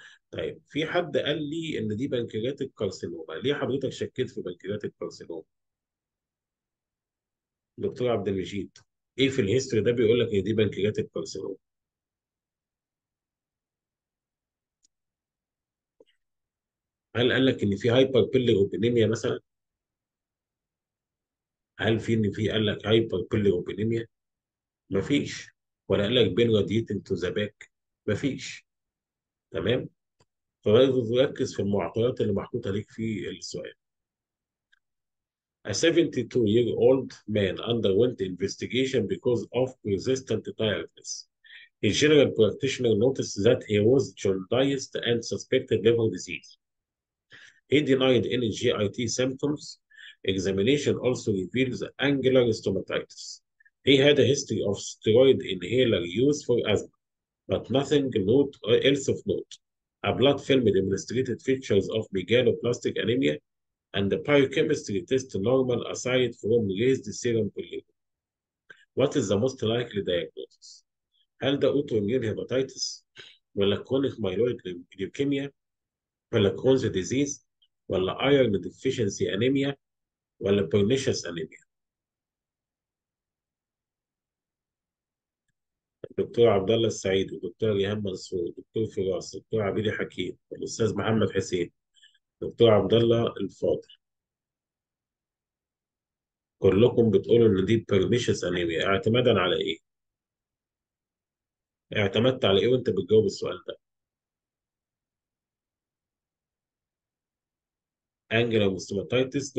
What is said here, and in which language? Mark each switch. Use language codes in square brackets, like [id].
[ar] طيب في حد قال لي ان دي بنكرياتيك الكارسينوما، ليه حضرتك شكيت في بنكرياتيك الكارسينوما؟ دكتور عبد المجيد ايه في الهيستوري ده بيقول لك ان دي بنكرياتيك الكارسينوما؟ هل قال لك ان في هايبر بيليروبينيميا مثلا؟ هل في ان في قال لك هايبر بيليروبينيميا؟ مفيش. ولا قال لك [en] Pain radiating to the back? [ar] مفيش. تمام؟ فركز في المعطيات اللي محطوطه ليك في السؤال. [en] A 72-year-old man underwent investigation because of persistent tiredness. A general practitioner noticed that he was jaundiced and suspected liver disease. He denied any GIT symptoms. Examination also reveals angular stomatitis. He had a history of steroid inhaler use for asthma, but nothing note or else of note. A blood film demonstrated features of megaloblastic anemia and the biochemistry test normal aside from raised serum bilirubin. What is the most likely diagnosis? [ar] هل ده [en] autoimmune hepatitis ولا chronic myeloid leukemia ولا Crohn's disease ولا iron deficiency anemia ولا pernicious anemia؟ [ar] دكتور عبد الله السعيد ودكتور ريهام منصور ودكتور فراس ودكتور عبيد الحكيم والاستاذ محمد حسين دكتور عبد الله الفاضل كلكم بتقولوا ان دي بيرنيشس انيميا، اعتمادا على ايه؟ اعتمدت على ايه وانت بتجاوب السؤال ده؟ انجلو ماستوماتايتس.